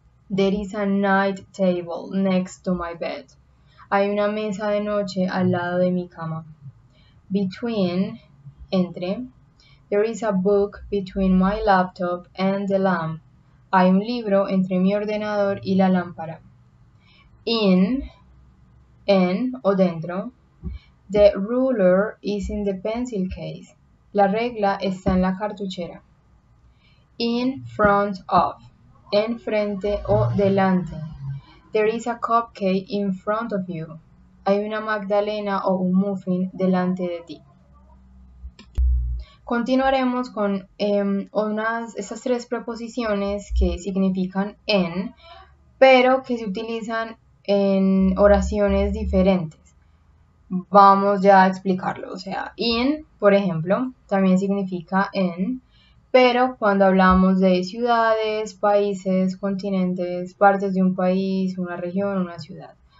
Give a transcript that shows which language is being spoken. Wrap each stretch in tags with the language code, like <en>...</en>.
<en>There is a night table next to my bed.</en> <es>Hay una mesa de noche al lado de mi cama.</es> <en>Between, entre. There is a book between my laptop and the lamp.</en> <es>Hay un libro entre mi ordenador y la lámpara.</es> <en>In,</en> <es>en o dentro.</es> <en>The ruler is in the pencil case.</en> <es>La regla está en la cartuchera.</es> <en>In front of.</en> <es>Enfrente o delante.</es> <en>There is a cupcake in front of you.</en> <es>Hay una magdalena o un muffin delante de ti. Continuaremos con esas tres preposiciones que significan en, pero que se utilizan en oraciones diferentes. Vamos ya a explicarlo. O sea, in, por ejemplo, también significa en, pero cuando hablamos de ciudades, países, continentes, partes de un país, una región, una ciudad.</es>